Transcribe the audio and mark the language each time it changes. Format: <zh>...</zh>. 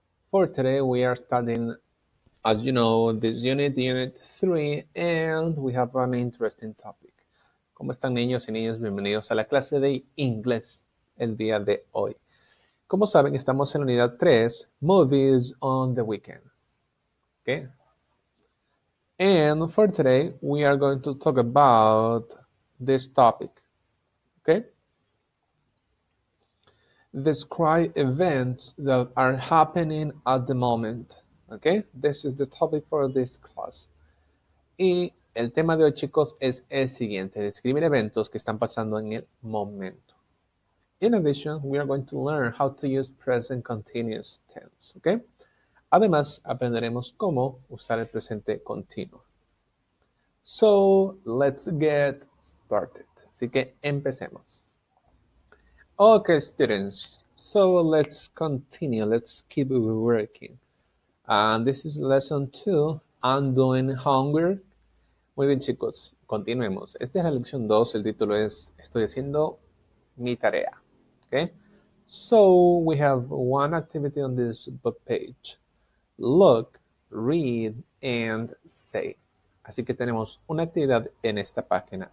<en>For today we are studying, as you know, this unit, Unit 3, and we have an interesting topic.</en> <es>¿Cómo están niños y niñas? Bienvenidos a la clase de inglés el día de hoy. Como saben, estamos en la unidad 3, Movies on the Weekend. Okay.</es> <en>And for today, we are going to talk about this topic. Okay. Describe events that are happening at the moment. Okay, this is the topic for this class.</en> <es>Y el tema de hoy, chicos, es el siguiente. Describir eventos que están pasando en el momento.</es> <en>In addition, we are going to learn how to use present continuous tense. Okay.</en> <es>Además, aprenderemos cómo usar el presente continuo.</es> <en>So, let's get started.</en> <es>Así que empecemos.</es> <en>Okay, students, so let's continue. Let's keep working. And this is lesson 2, Undoing Hunger.</en> <es>Muy bien, chicos, continuemos. Esta es la lección 2, el título es Estoy haciendo mi tarea.</es> <en>Okay, so we have one activity on this book page. Look, read, and say.</en> <es>Así que tenemos una actividad en esta página.</es>